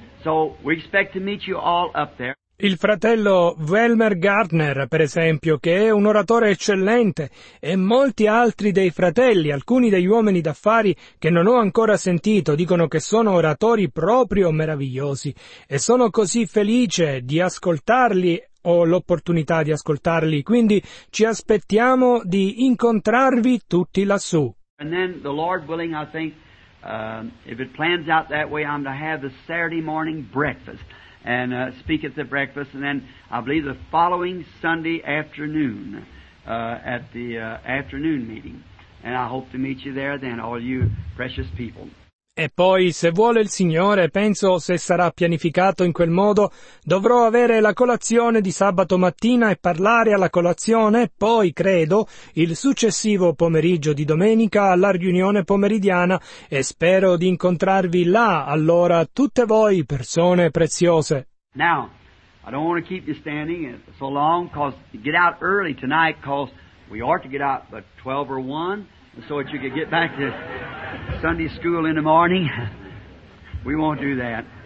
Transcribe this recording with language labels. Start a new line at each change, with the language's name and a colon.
English: So we expect to meet you all up there.
Italian: Il fratello Velmer Gardner, per esempio, che è un oratore eccellente, e molti altri dei fratelli, alcuni degli uomini d'affari che non ho ancora sentito, dicono che sono oratori proprio meravigliosi, e sono così felice di ascoltarli, ho l'opportunità di ascoltarli, quindi ci aspettiamo di incontrarvi tutti lassù.
English: And then, the Lord willing, I think, if it plans out that way, I'm to have the Saturday morning breakfast. And speak at the breakfast, and then I believe the following Sunday afternoon at the afternoon meeting. And I hope to meet you there then, all you precious people.
Italian: E poi, se vuole il Signore, penso se sarà pianificato in quel modo, dovrò avere la colazione di sabato mattina e parlare alla colazione, poi, credo, il successivo pomeriggio di domenica alla riunione pomeridiana e spero di incontrarvi là, allora, tutte voi, persone preziose.
English: Now, I don't want to keep you standing so long, because get out early tonight, because we ought to get out at 12 or 1. So that you could get back to Sunday school in the morning. We won't do that.